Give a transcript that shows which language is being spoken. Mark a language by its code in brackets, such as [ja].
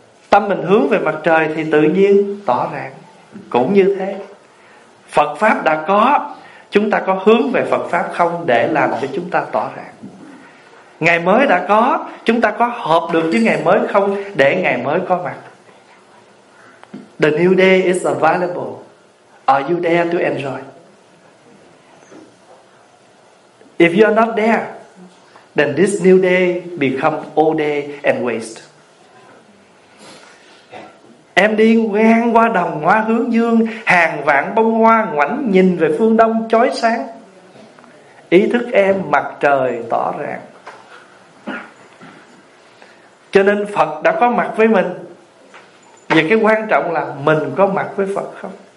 [vi] Tâm mình hướng về mặt trời thì tự nhiên tỏ rạng. Cũng như thế, Phật pháp đã có, chúng ta có hướng về Phật pháp không để làm cho chúng ta tỏ rạng? Ngày mới đã có, chúng ta có hợp được với ngày mới không để ngày mới có mặt? [en] The new day is available. Are you there to enjoy? If you are not there, then this new day becomes old day and waste. [vi] Em đi ngang qua đồng hoa hướng dương, hàng vạn bông hoa ngoảnh nhìn về phương đông chói sáng. Ý thức em mặt trời tỏ rạng. Cho nên Phật đã có mặt với mình. Và cái quan trọng là mình có mặt với Phật không?